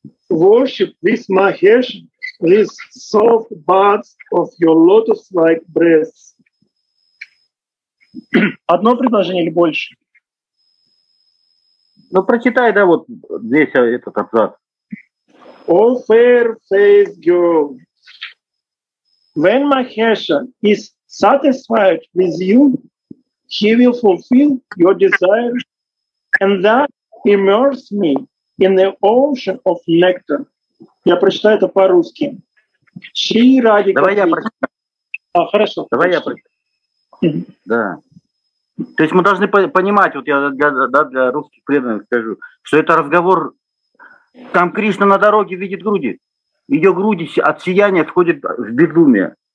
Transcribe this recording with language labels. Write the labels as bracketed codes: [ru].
[en] Worship this Махеш with soft buds of your lotus-like breasts. [ru] Одно предложение или больше? Ну, прочитай, да, вот здесь этот абзац. [en] О, fair-faced girl, when Mahesha is satisfied with you, he will fulfill your desire and that immerse me in the ocean of nectar. [ru] Я прочитаю это по-русски. Давай я прочитаю. А, хорошо. Давай я прочитаю. Да. То есть мы должны понимать, вот я для русских преданных скажу, что это разговор, там Кришна на дороге видит груди, ее груди от сияния сходят в безумие.